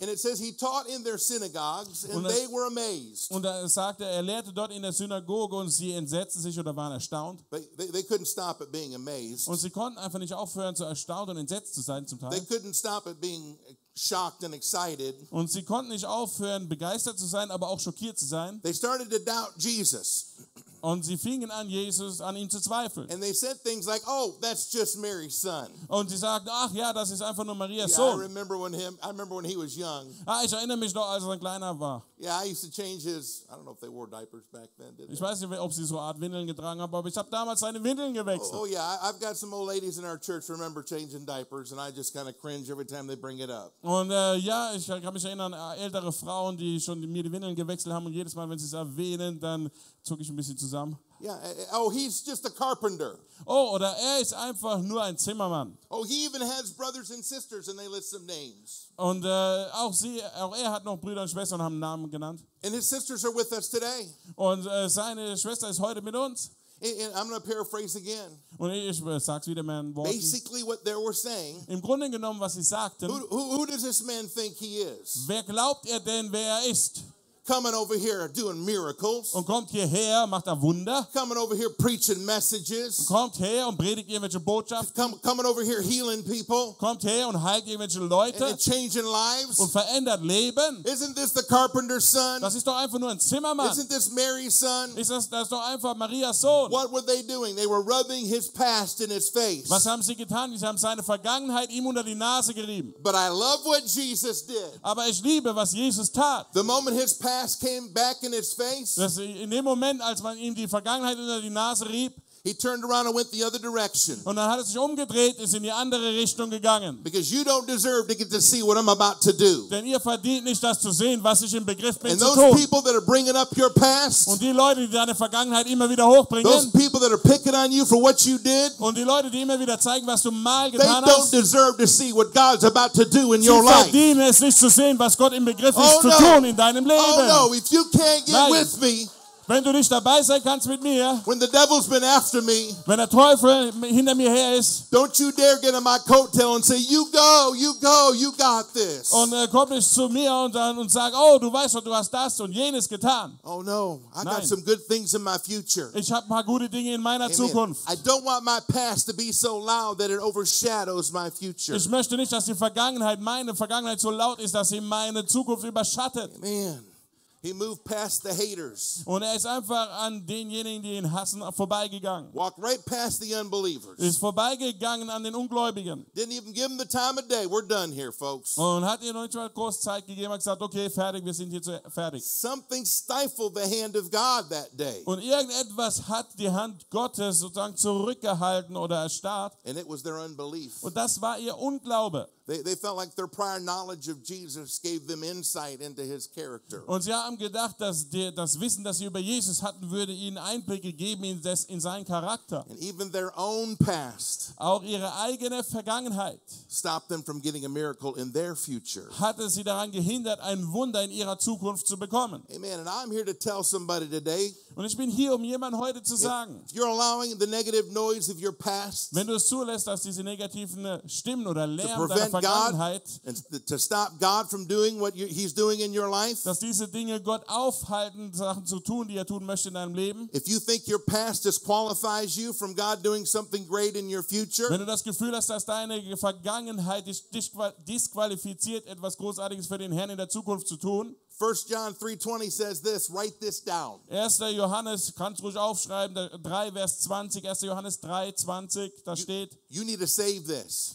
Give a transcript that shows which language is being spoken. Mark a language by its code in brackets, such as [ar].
[en] And it says he taught in their synagogues and they were amazed. [de] Und er sagte, er lehrte dort in der Synagoge und sie entsetzten sich oder waren erstaunt. [en] But they couldn't stop at being amazed. [de] Und sie konnten einfach nicht aufhören zu erstaunt und entsetzt zu sein zum Teil. [en] They couldn't stop at being shocked and excited. [de] Und sie konnten nicht aufhören, begeistert zu sein, aber auch schockiert zu sein. [en] They started to doubt Jesus. [de] Und sie fingen an, Jesus an ihm zu zweifeln. [en] And they said things like, "Oh, that's just Mary's son." [de] Und sie sagten, ach ja, das ist einfach nur Marias Sohn. [en] Yeah, I remember when he was young. [de] Ah, ich erinnere mich noch, als er kleiner war. [en] Yeah, I used to change his. I don't know if they wore diapers back then. Did they? [de] Ich weiß nicht, ob sie so Art Windeln getragen haben, aber ich habe damals seine Windeln gewechselt. [en] Oh yeah, I've got some old ladies in our church remember changing diapers, and I just kind of cringe every time they bring it up. [de] Und ja, ich kann mich erinnern, ältere Frauen, die schon mir die Windeln gewechselt haben, und jedes Mal, wenn sie es erwähnen, dann zucke ich ein bisschen zusammen. [en] Yeah. Oh, he's just a carpenter. [de] Oh, oder er ist einfach nur ein Zimmermann. [en] Oh, he even has brothers and sisters, and they list some names. [de] Und auch er hat noch Brüder und Schwestern und haben Namen genannt. [en] And his sisters are with us today. [de] Und seine Schwester ist heute mit uns. [en] And I'm going to paraphrase again. [de] Und ich sag's wieder mit Worten. [en] Basically, what they were saying. [de] Im Grunde genommen, was sie sagten. [en] Who does this man think he is? [de] Wer glaubt er denn, wer er ist? [en] Coming over here doing miracles. [de] Und kommt hierher, macht er Wunder. [en] Coming over here preaching messages. [de] Und kommt her und predigt irgendwelche Botschaften. [en] Coming over here healing people. [de] Kommt her und heilt irgendwelche Leute. [en] And changing lives. [de] Und verändert Leben. [en] Isn't this the carpenter's son? [de] Das ist doch einfach nur ein Zimmermann. [en] Isn't this Mary's son? [de] Ist das doch einfach Marias Sohn. [en] What were they doing? They were rubbing his past in his face. [de] Was haben sie getan? Sie haben seine Vergangenheit ihm unter die Nase gerieben. [en] But I love what Jesus did. [de] Aber ich liebe, was Jesus tat. [en] The moment his past came back in his face. [de] In dem Moment, als man ihm die Vergangenheit unter die Nase rieb, [en] he turned around and went the other direction. [de] Und dann hat er sich umgedreht, ist in die andere Richtung gegangen. [en] Because you don't deserve to get to see what I'm about to do. [de] Denn ihr verdient nicht, das zu sehen, was ich im Begriff bin [en] and [de] zu [en] those [de] tun. [en] People that are bringing up your past. [de] Und die Leute, die deine Vergangenheit immer wieder hochbringen. [en] Those people that are picking on you for what you did. [de] Und die Leute, die immer wieder zeigen, was du mal getan hast. [en] They don't deserve to see what God's about to do in your life. [de] Sie verdienen es nicht zu sehen, was Gott im Begriff ist zu tun in deinem Leben. [en] Oh no, if you can't get [de] Nein. [en] with me. [de] Wenn du nicht dabei sein kannst mit mir, [en] when the devil's been after me, [de] wenn der Teufel hinter mir her ist, [en] don't you dare get in my coattail and say, you go, you got this. [de] Und komm nicht zu mir und sag, oh, du weißt doch, du hast das und jenes getan. [en] Oh no, I got some good things in my future. [de] Ich habe ein paar gute Dinge in meiner Zukunft. [en] I don't want my past to be so loud that it overshadows my future. [de] Ich möchte nicht, dass die Vergangenheit, meine Vergangenheit so laut ist, dass sie meine Zukunft überschattet. [en] Amen. He moved past the haters. [de] Und er ist einfach an denjenigen, die ihn hassen, vorbeigegangen. [en] Walked right past the unbelievers. [de] Ist vorbeigegangen an den Ungläubigen. [en] Didn't even give him the time of day. We're done here, folks. [de] Und hat ihnen noch nicht mal kurz Zeit gegeben, hat gesagt, okay, fertig, wir sind jetzt fertig. [en] Something stifled the hand of God that day. [de] Und irgendetwas hat die Hand Gottes sozusagen zurückgehalten oder erstarrt. [en] And it was their unbelief. [de] Und das war ihr Unglaube. [en] They felt like their prior knowledge of Jesus gave them insight into his character. [de] Und sie haben gedacht, dass das Wissen, das sie über Jesus hatten, würde ihnen Einblicke geben in seinen Charakter. [en] And even their own past. [de] Auch ihre eigene Vergangenheit. [en] Stopped them from getting a miracle in their future. [de] Hatte sie daran gehindert, ein Wunder in ihrer Zukunft zu bekommen. [en] Amen. And I'm here to tell somebody today. [de] Und ich bin hier, um jemandem heute zu sagen. [en] If you're allowing the negative noise of your past. [de] Wenn du es zulässt, dass diese negativen Stimmen oder Lärm [en] God, and to stop God from doing what he's doing in your life. [de] Dass diese Dinge Gott aufhalten, Sachen zu tun, die er tun möchte in deinem Leben. [en] If you think your past disqualifies you from God doing something great in your future. [de] Wenn du das Gefühl hast, dass deine Vergangenheit dich disqualifiziert, etwas Großartiges für den Herrn in der Zukunft zu tun. [en] 1 John 3:20 says this, write this down. [de] 1. Johannes, kannst ruhig aufschreiben, 3 Vers 20, 1. Johannes 3, 20, da steht. [en] You need to save this.